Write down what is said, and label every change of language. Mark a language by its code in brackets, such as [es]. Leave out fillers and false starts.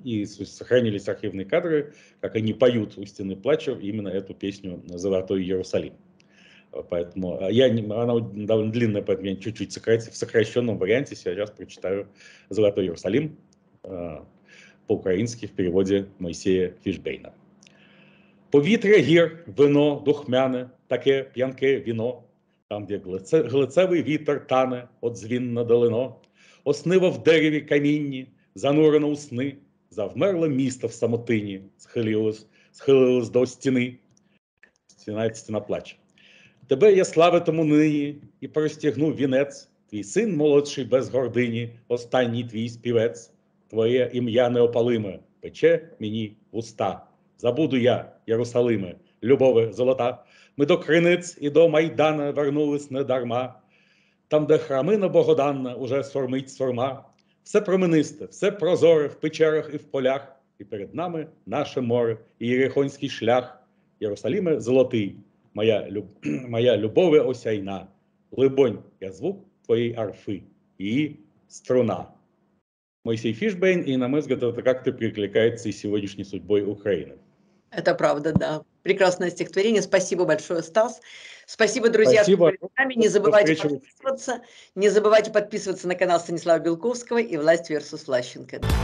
[ru] И сохранились архивные кадры, как они поют у стены плача именно эту песню «Золотой Иерусалим». Поэтому она довольно длинная, поэтому я чуть-чуть сократил. В сокращенном варианте сейчас прочитаю «Золотой Иерусалим» по-украински в переводе Моисея Фишбейна. [uk] Повітря гір, вино духмяне, таке п'янке віно, там, де глицевий вітер тане, от дзвін надалено. Оснива в дереві камінні, занурена у сни, завмерло місто в самотині, схилилось до стіни. Стіна, стіна плаче. Тебе я славитиму нині, і простягну вінець, твій син молодший без гордині, останній твій співець. Твоє ім'я неопалиме, пече мені уста. Забуду я, Єрусалиме, любове золота. Ми до Криниць і до Майдана вернулись недарма. Там, де храмина богоданна, уже сурмить сурма. Все промінисте, все прозоре в печерах і в полях. І перед нами наше море і Єрихонський шлях. Єрусалиме золотий, моя любове осяйна. Либонь, я звук твоєї арфи, її струна. [ru] Моисей Фишбейн, и, на мой взгляд, это как-то перекликается и сегодняшней судьбой Украины. Это правда, да. Прекрасное стихотворение. Спасибо большое, Стас. Спасибо, друзья, спасибо. Что были с нами. Не забывайте подписываться. Не забывайте подписываться на канал Станислава Белковского и «Власть versus Влащенко».